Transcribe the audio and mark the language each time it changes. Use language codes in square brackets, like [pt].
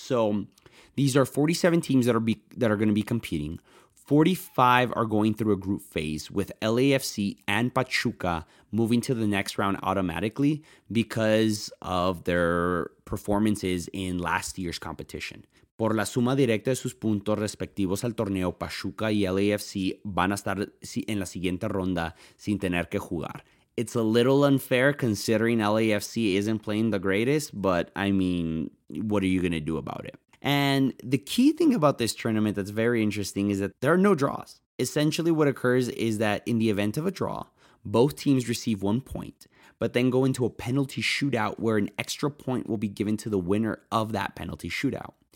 [en] So these are 47 teams that are going to be competing. 45 are going through a group phase, with LAFC and Pachuca moving to the next round automatically because of their performances in last year's competition. [es] Por la suma directa de sus puntos respectivos al torneo, Pachuca y LAFC van a estar en la siguiente ronda sin tener que jugar. [en] It's a little unfair considering LAFC isn't playing the greatest, but I mean, what are you going to do about it? And the key thing about this tournament that's very interesting is that there are no draws. Essentially, what occurs is that in the event of a draw, both teams receive 1 point, but then go into a penalty shootout where an extra point will be given to the winner of that penalty shootout.